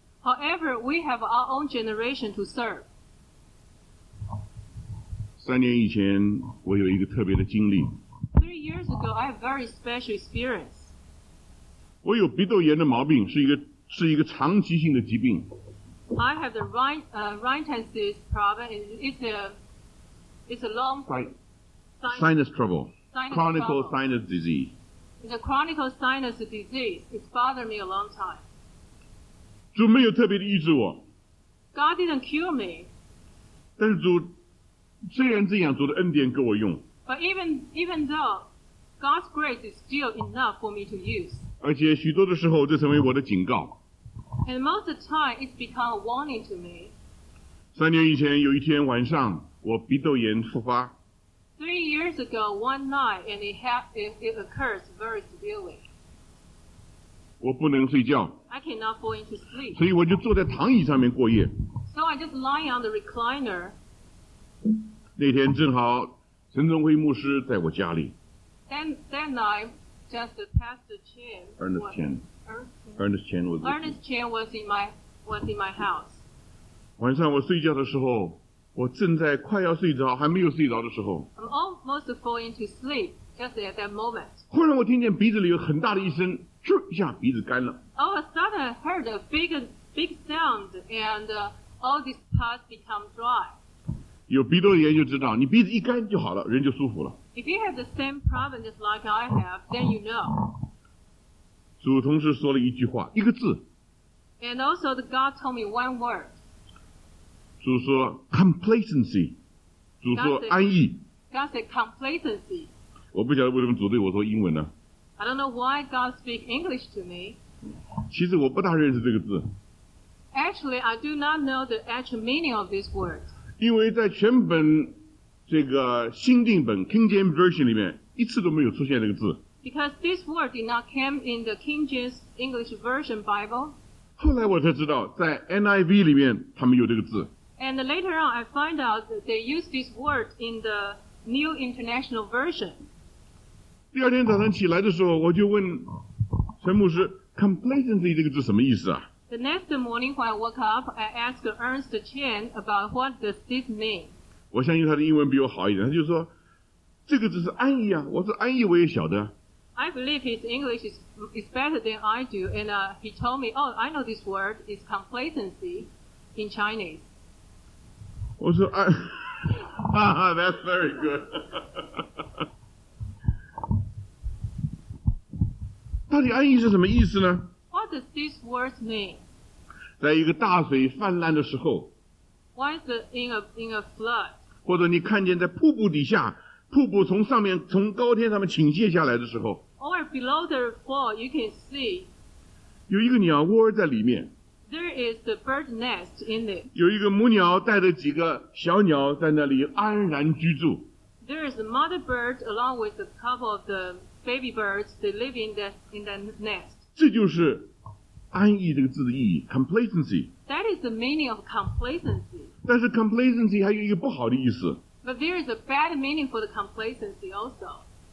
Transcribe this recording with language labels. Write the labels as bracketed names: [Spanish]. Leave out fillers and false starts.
[English] However, we have our own generation to serve. [Chinese] 3年以前，我有一个特别的经历。 [English] 3 years ago, I have very special experience. [Chinese] 我有鼻窦炎的毛病，是一个长期性的疾病。 [English] I have the rhinitis problem. It's a long sinus trouble. Sinus disease. It's a chronic sinus disease. It's bothered me a long time. [Chinese] 主没有特别的医治我。 [English] God didn't cure me. [Chinese] 但是主虽然这样，主的恩典给我用。 [English] But even though God's grace is still enough for me to use. [Chinese] 而且许多的时候，这成为我的警告。 [English] And most of the time, it's become a warning to me. [Chinese] 3年以前，有一天晚上，我鼻窦炎复发。 [English] 3 years ago, one night, and it occurs very severely. [Chinese] 我不能睡觉。 [English] I cannot fall into sleep. [Chinese] 所以我就坐在躺椅上面过夜。 [English] So I just lying on the recliner. [Chinese] 那天正好陈宗辉牧师在我家里。 [English] That night, just the pastor Chen. Ernest Chen. Ernest Chen was in my house. [Chinese] 晚上我睡觉的时候，我正在快要睡着，还没有睡着的时候。 [English] I'm almost falling to sleep just at that moment. [Chinese] 忽然我听见鼻子里有很大的一声，咻一下鼻子干了。 [English] All of a sudden, I heard a big sound, and all these parts become dry. [Chinese] 有鼻窦炎就知道，你鼻子一干就好了，人就舒服了。 [English] If you have the same problem just like I have, then you know. [Chinese] 主同时说了一句话，一个字。 [English] And also, the God told me one word. [Chinese] 主说 complacency. 主说安逸。 [English] God said complacency. [Chinese] 我不晓得为什么主对我说英文呢。 [English] I don't know why God speak English to me. [Chinese] 其实我不大认识这个字。 [English] Actually, I do not know the actual meaning of this word. [Chinese] 因为在全本这个新定本 King James Version 里面，一次都没有出现这个字。 [English] Because this word did not come in the King James English Version Bible. [Chinese] 后来我才知道，在 NIV 里面他们有这个字。 [English] And later on, I find out that they use this word in the New International Version. [Chinese] 第二天早上起来的时候，我就问陈牧师 "complacency" 这个字什么意思啊 [English] ？The next morning when I woke up, I asked Ernest Chen about what does this mean. [Chinese] 我相信他的英文比我好一点，他就说这个字是安逸啊。我说安逸我也晓得。 [English] I believe his English is better than I do, and he told me, oh, I know this word is complacency in Chinese. [Chinese] 我说 [English] that's very good. [Chinese] 到底安逸是什么意思呢？ [English] What does this word mean? [Chinese] 在一个大水泛滥的时候。 [English] Why is it in a flood? [Chinese] 或者你看见在瀑布底下，瀑布从上面，从高天上面倾泻下来的时候。 [English] Or below the fall, you can see. [Chinese] 有一个鸟窝在里面。 [English] There is the bird nest in it. [Chinese] 有一个母鸟带着几个小鸟在那里安然居住。 [English] There is a mother bird along with a couple of the baby birds that live in the nest. [Chinese] 这就是安逸这个字的意义 ,complacency. [English] That is the meaning of complacency. [Chinese] 但是 complacency 还有一个不好的意思。 [English] But there is a bad meaning for the complacency also.